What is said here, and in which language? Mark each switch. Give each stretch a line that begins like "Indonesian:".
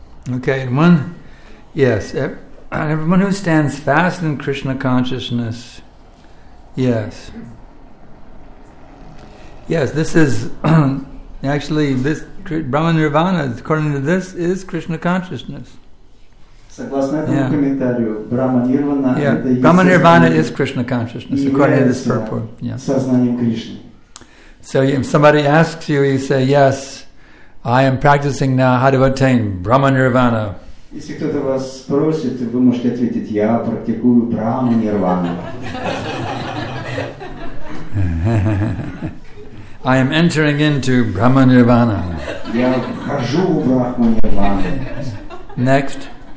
English: Okay, one, yes, everyone who stands fast in Krishna consciousness, yes. Yes, this is, actually, this Brahmanirvana, according to this, is Krishna consciousness.
Russian: Согласно этому комментарию, Брахманирвана это есть.
English: Брахманирвана is Krishna consciousness, according to this purport.
Russian: Сознанием Кришны.
English: So if somebody asks you, you say, yes, I am practicing now how to attain Brahma Nirvana.
Russian: Если кто-то вас спросит, вы можете ответить, я практикую Брахма Нирвану.
English: I am entering into Brahma Nirvana.
Russian: Я вхожу в Брахма Нирвану.
English: Next.